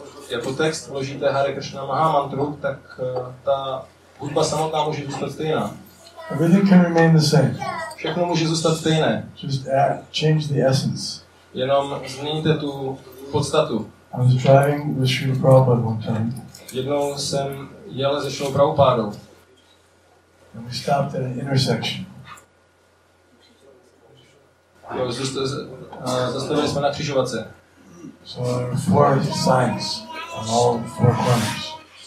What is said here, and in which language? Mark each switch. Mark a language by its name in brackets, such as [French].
[Czech] Jako text vložíte Hare Krishna Mahamantru, tak ta hudba samotná může zůstat stejná. [English] Everything can remain the same. [Czech] Všechno může zůstat stejné. [English] Just change the essence. [Czech] Jenom změníte tu podstatu. [English] I was driving with Srila Prabhupada one time. [Czech] Jednou jsem jel se Srila Prabhupádou. [English] And we stopped at an intersection. [Czech] Zastavili jsme na křižovatce. [English] So there are four signs on all four corners.